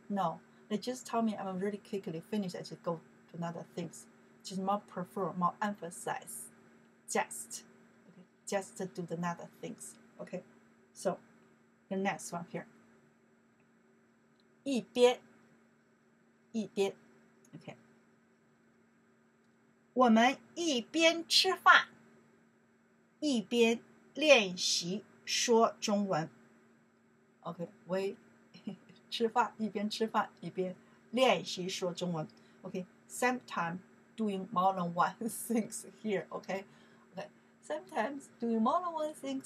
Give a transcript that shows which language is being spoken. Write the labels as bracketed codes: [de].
[en] No They just tell me I'm really quickly finished I just go to another things Just more prefer, more emphasize Just okay, Just do another things Okay, so The next one here一边，一边 ，OK。 [zh] 我们一边吃饭，一边练习说中文。 OK， 我吃饭一边吃饭一边练习说中文。 [en] OK， sometimes doing more than one things here. OK， OK， sometimes doing more than one things.